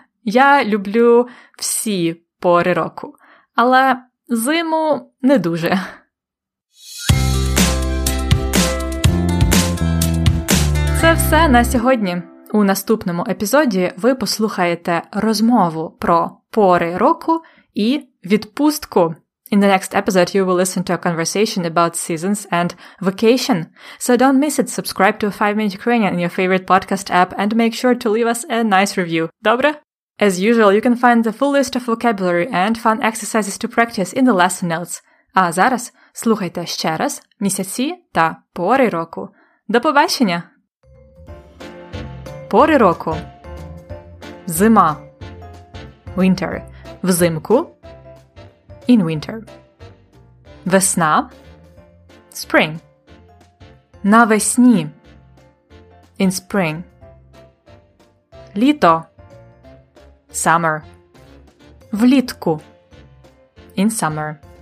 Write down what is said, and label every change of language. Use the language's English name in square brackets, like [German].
[Ukrainian] Я люблю всі пори року, але зиму не дуже. Це все на сьогодні. У наступному епізоді ви послухаєте розмову про пори року і відпустку. [English] In the next episode you will listen to a conversation about seasons and vacation. So don't miss it. Subscribe to 5 Minute Ukrainian in your favorite podcast app and make sure to leave us a nice review. [Ukrainian] Добре? [English] As usual, you can find the full list of vocabulary and fun exercises to practice in the lesson notes. [Ukrainian] А зараз слухайте ще раз місяці та пори року. До побачення! Пори року. Зима. [English] Winter. [Ukrainian] Взимку. [English] In winter. [Ukrainian] Весна. [English] Spring. [Ukrainian] Навесні. [English] In spring. [Ukrainian] Літо. [English] Summer. [Ukrainian] Влітку. [English] In summer.